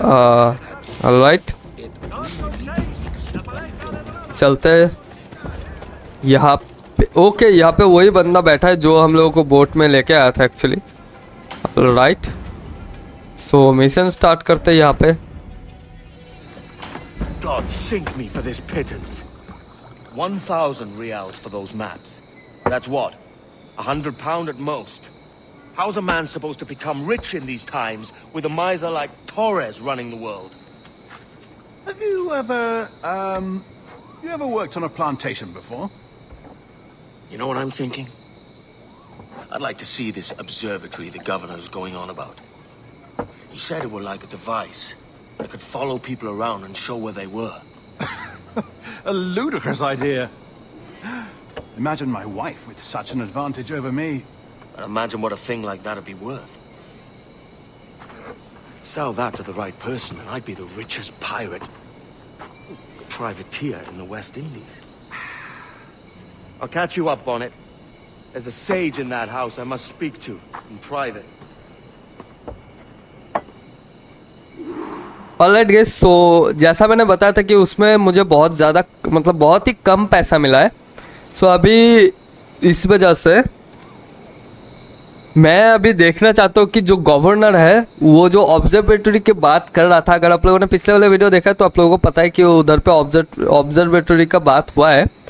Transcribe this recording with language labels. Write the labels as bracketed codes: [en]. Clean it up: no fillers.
[hi] Alright, चलते यहाँ पे। ओके, यहाँ पे वही बंदा बैठा है जो हम लोगों को बोट में लेके आया था actually. Alright, so mission start करते हैं यहाँ पे। [en] God sink me for this pittance. 1,000 reals for those maps. That's what? £100 at most. How's a man supposed to become rich in these times with a miser like Torres running the world? Have you ever, you ever worked on a plantation before? You know what I'm thinking? I'd like to see this observatory the governor's going on about. He said it were like a device. I could follow people around and show where they were. A ludicrous idea. Imagine my wife with such an advantage over me. And imagine what a thing like that would be worth. Sell that to the right person and I'd be the richest pirate. Privateer in the West Indies. I'll catch you up, Bonnet. There's a sage in that house I must speak to in private. [hi] Alright guys, सो जैसा मैंने बताया था कि उसमें मुझे बहुत ज़्यादा, मतलब बहुत ही कम पैसा मिला है। सो अभी इस वजह से मैं अभी देखना चाहता हूँ कि जो गवर्नर है वो जो ऑब्जर्वेटरी की बात कर रहा था, अगर आप लोगों ने पिछले वाले वीडियो देखा है तो आप लोगों को पता है कि उधर पे ऑब्जर्वेटरी का बात हुआ है।